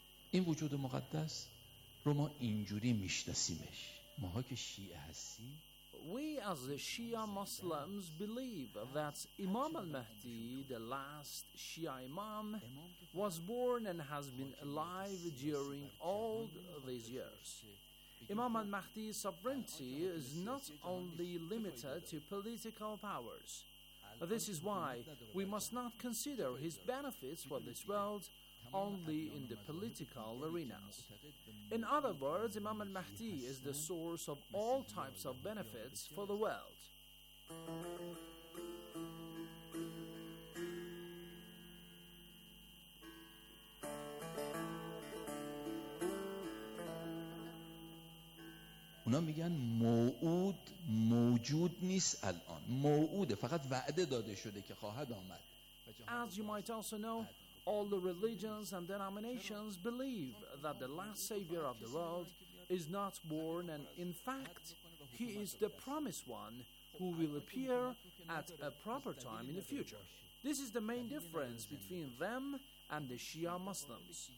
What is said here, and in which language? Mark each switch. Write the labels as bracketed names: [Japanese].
[Persian] این وجود مقدس رو ما اینجوری میشناسیمش. ماها که شیعه هستیم. [English] We as the Shia Muslims believe that Imam al-Mahdi, the last Shia Imam, was born and has been alive during all these years. Imam al-Mahdi's sovereignty is not only limited to political powers. This is why we must not consider his benefits for this world only in the political arenas. In other words, Imam al-Mahdi is the source of all types of benefits for the world. [Persian] اونا میگن موعود موجود نیست الان. موعوده فقط وعده داده شده که خواهد آمد. [English] As you might also know, all the religions and denominations believe that the last savior of the world is not born, and in fact, he is the promised one who will appear at a proper time in the future. This is the main difference between them and the Shia Muslims.